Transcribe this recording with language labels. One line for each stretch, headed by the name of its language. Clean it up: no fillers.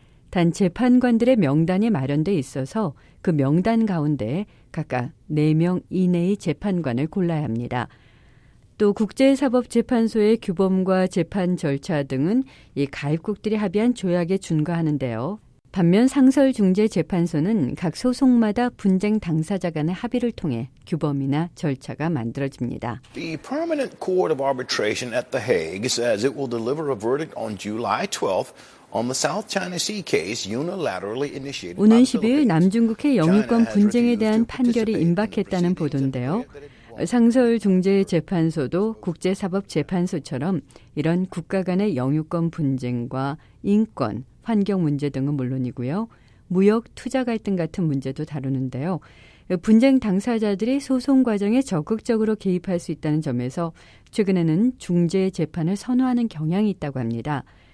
Korean: 단 재판관들의 명단이 마련돼 있어서 그 명단 가운데 각각 4명 이내의 재판관을 골라야 합니다. 또 국제사법재판소의 규범과 재판 절차 등은 이 가입국들이 합의한 조약에 준거하는데요. 반면 상설중재재판소는 각 소송마다 분쟁 당사자 간의 합의를 통해 규범이나 절차가 만들어집니다.
English: The Permanent Court of Arbitration at The Hague says it will deliver a verdict on July 12th on the South China Sea case unilaterally initiated.
Korean: 오는 12일 남중국해 영유권 분쟁에 대한 판결이 임박했다는 보도인데요. 상설중재재판소도 국제사법재판소처럼 이런 국가 간의 영유권 분쟁과 인권, 환경 문제 등은 물론이고요. 무역, 투자 갈등 같은 문제도 다루는데요. 분쟁 당사자들이 소송 과정에 적극적으로 개입할 수 있다는 점에서 최근에는 중재 재판을 선호하는 경향이 있다고 합니다.